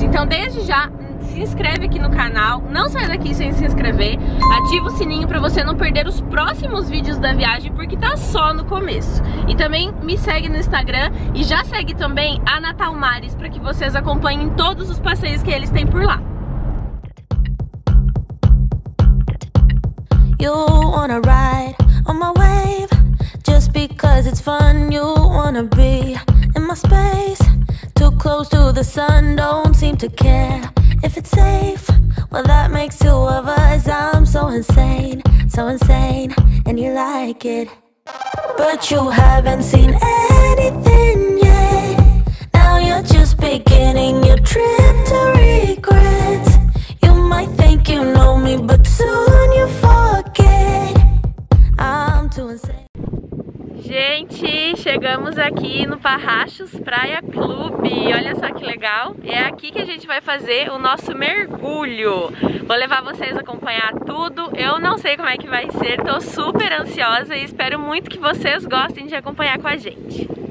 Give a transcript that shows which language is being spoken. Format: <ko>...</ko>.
<pt>Então, desde já, se inscreve aqui no canal. Não sai daqui sem se inscrever. Ativa o sininho para você não perder os próximos vídeos da viagem, porque tá só no começo. E também me segue no Instagram e já segue também a Natal Mares para que vocês acompanhem todos os passeios que eles têm por lá.</pt> <en>You wanna ride on my wave just because it's fun. You wanna be in my space, too close to the sun, don't seem to care. If it's safe, well that makes two of us. I'm so insane, and you like it. But you haven't seen anything yet. Now you're just beginning your trip to regrets. You might think you know me, but soon you forget. I'm too insane.</en> <pt>Gente, chegamos aqui no Parrachos Praia Clube. Olha só que legal. É aqui que a gente vai fazer o nosso mergulho. Vou levar vocês a acompanhar tudo. Eu não sei como é que vai ser. Tô super ansiosa e espero muito que vocês gostem de acompanhar com a gente.</pt>